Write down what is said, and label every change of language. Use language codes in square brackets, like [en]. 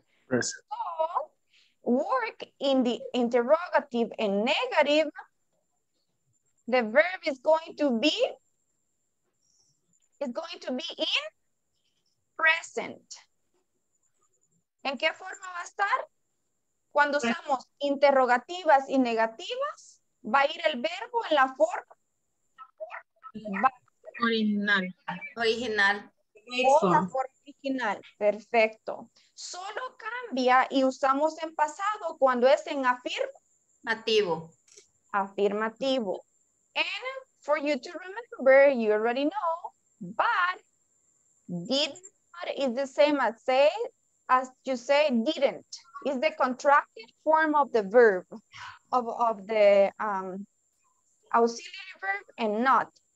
[en] Present. So, work in the interrogative and negative, the verb is going to be, is going to be in present. [es] ¿En qué forma va a estar? Cuando usamos interrogativas y negativas, va a ir el verbo en la forma original. Original. O la forma original. Perfecto. Solo cambia y usamos en pasado cuando es en afirmativo. Afirmativo. [en] And for you to remember, you already know, but did not is the same as say, as you say, didn't. Is the contracted form of the verb, of the auxiliary verb, and not.